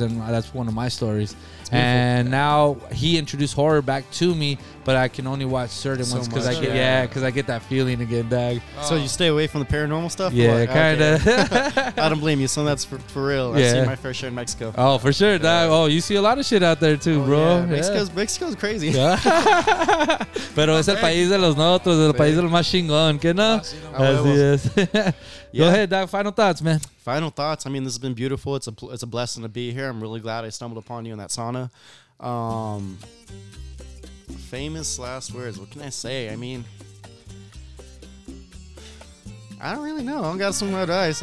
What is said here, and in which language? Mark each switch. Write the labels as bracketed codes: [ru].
[en] And that's one of my stories. And now he introduced horror back to me, but I can only watch certain ones because I get because I get that feeling again, dog. So you stay away from the paranormal stuff? Yeah, kind of. I don't blame you. Some of that's for real. Yeah. I've seen my fair share in Mexico. Oh, for sure, dog. Oh, you see a lot of shit out there too, bro. Yeah. Mexico's crazy. [es] Pero es el país de los nosotros, el país de los más chingón, que no? Así es. [en] Yeah. Go ahead, dog. Final thoughts, man. Final thoughts. I mean, this has been beautiful. It's a blessing to be here. I'm really glad I stumbled upon you in that sauna. Famous last words. What can I say? I mean, I don't really know. I don't got some advice.